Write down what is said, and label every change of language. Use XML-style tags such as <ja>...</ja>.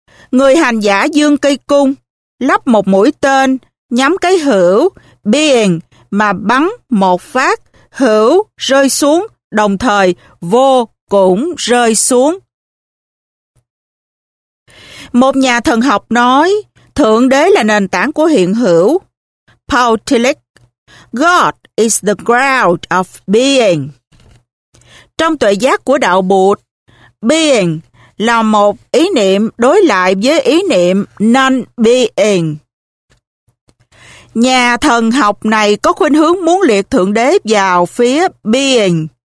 <vi>Người hành giả dương cây cung, lắp một mũi tên, nhắm cái hữu, being, mà bắn một phát, hữu rơi xuống, đồng thời vô cũng rơi xuống. Một nhà thần học nói, Thượng Đế là nền tảng của hiện hữu.</vi> <en>Paul Tillich, God is the ground of being.</en> <vi>Trong tuệ giác của Đạo Bụt, being là một ý niệm đối lại với ý niệm non-being. Nhà thần học này có khuynh hướng muốn liệt Thượng Đế vào phía being.</vi>